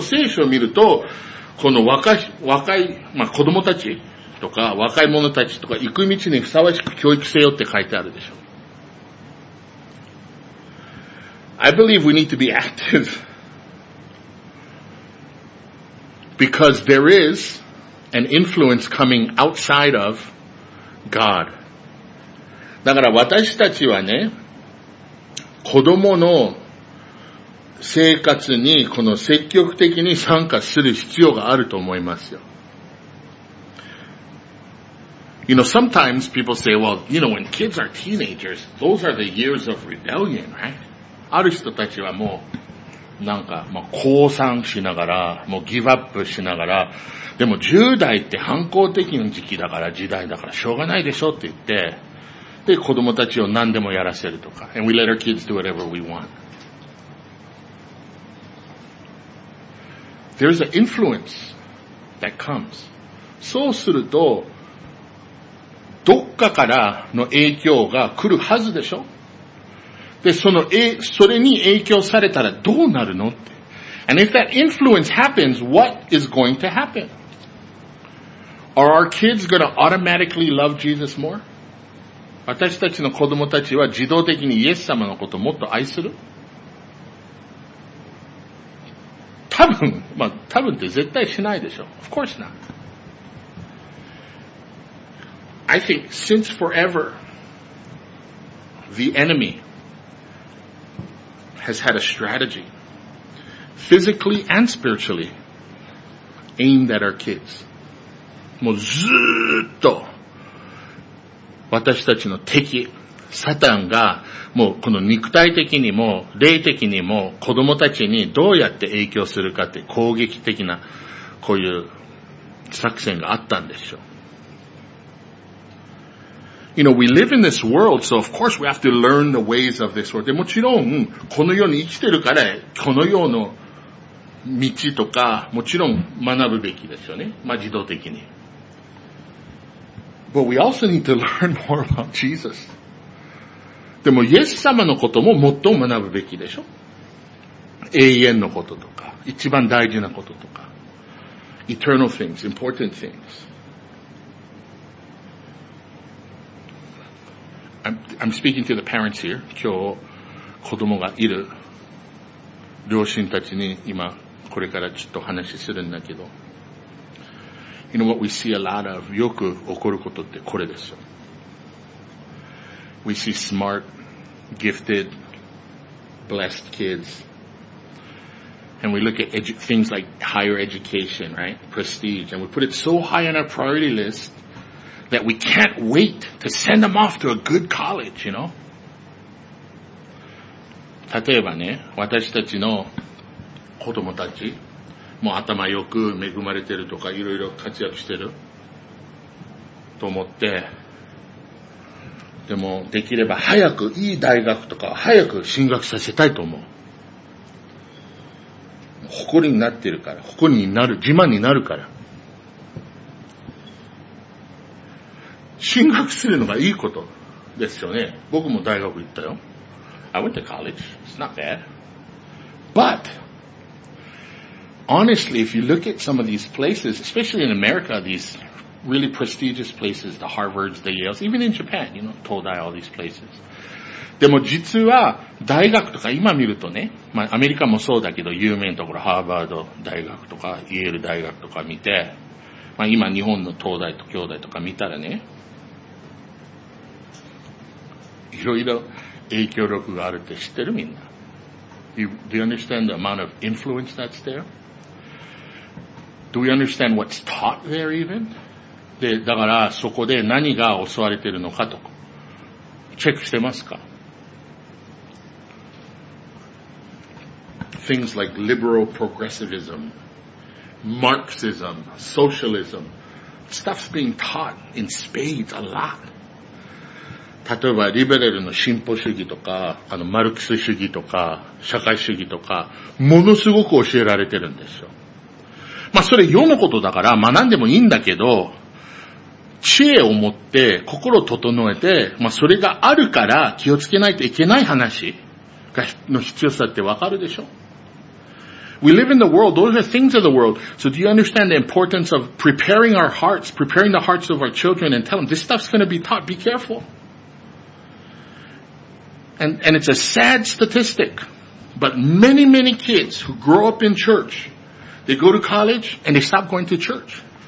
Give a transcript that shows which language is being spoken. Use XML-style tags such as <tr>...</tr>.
<ja>聖書を見ると、この若い、まあ、子供たちとか若い者たちとか行く道にふさわしく教育せよって書いてあるでしょ。</ja> <en>I believe we need to be active. Because there is an influence coming outside of God.</en> <ja>だから私たちはね、子供の生活にこの積極的に参加する必要があると思いますよ。</ja> <en>You know, sometimes people say, well, you know, when kids are teenagers, those are the years of rebellion, right?</en> <ja>ある人たちはもう、なんか、まあ、降参しながら、もうギブアップしながら、でも10代って反抗的な時期だから、時代だから、しょうがないでしょって言って、で、子供たちを何でもやらせるとか。</ja> <en>And we let our kids do whatever we want. There's an influence that comes.</en> <ja>そうすると、どっかからの影響が来るはずでしょ? で、その、それに影響されたらどうなるのって。</ja> <en>And if that influence happens, what is going to happen? Are our kids going to automatically love Jesus more?</en> <ja>私たちの子供たちは自動的にイエス様のことをもっと愛する？多分、まあ多分って絶対しないでしょ。</ja> <en>Of course not. I think since forever, the enemy has had a strategy, physically and spiritually, aimed at our kids.</en> <ja>もうずーっと私たちの敵、サタンがもうこの肉体的にも霊的にも子供たちにどうやって影響するかって攻撃的なこういう作戦があったんでしょう。</ja> <en>You know, we live in this world, so of course we have to learn the ways of this world.</en> <ja>もちろん、この世に生きてるから、この世の道とか、もちろん学ぶべきですよね。まあ、自動的に。</ja> <en>But we also need to learn more about Jesus.</en> <ja>でも、イエス様のことももっと学ぶべきでしょ。永遠のこととか、一番大事なこととか。</ja> <en>Eternal things, important things. I'm speaking to the parents here.</en> <ja>今日子供がいる両親たちに今これからちょっと話しするんだけど、</ja> <en>You know what we see a lot of?</en> <ja>よく起こることってこれですよ。</ja> <en>We see smart, gifted, blessed kids, and we look at things like higher education, right? Prestige, and we put it so high on our priority list. That we can't wait to send them off to a good college, you know?</en> <ja>例えばね、私たちの子供たち、もう頭よく恵まれてるとか、いろいろ活躍してると思って、でもできれば早くいい大学とか、早く進学させたいと思う。誇りになってるから、誇りになる、自慢になるから。進学するのがいいことですよね。僕も大学行ったよ。</ja> <en>I went to college. It's not bad. But, honestly, if you look at some of these places, especially in America, these really prestigious places, the Harvards, the Yales, even in Japan, you know, 東大 all these places.</en> <ja>でも実は大学とか今見るとね、まあアメリカもそうだけど、有名なところ、ハーバード大学とか、イェール大学とか見て、まあ今日本の東大と京大とか見たらね、いろいろ影響力があるって知ってるみんな。</ja> <en>Do you understand the amount of influence that's there? Do we understand what's taught there even?</en> <ja>で、だからそこで何が教われてるのかとか、チェックしてますか</ja> <en>?Things like liberal progressivism, Marxism, socialism, stuff's being taught in spades a lot.</en> <ja>例えばリベラルの進歩主義とか、あのマルクス主義とか、社会主義とか、ものすごく教えられてるんですよ。まあそれ世のことだから学んでもいいんだけど、知恵を持って心を整えて、まあそれがあるから気をつけないといけない話がの必要さってわかるでしょ。</ja> <en>We live in the world. Those are things of the world. So do you understand the importance of preparing our hearts, preparing the hearts of our children and tell them this stuff's going to be taught. Be careful. And it's a sad statistic, but many, many kids who grow up in church, they go to college and they stop going to church.</en>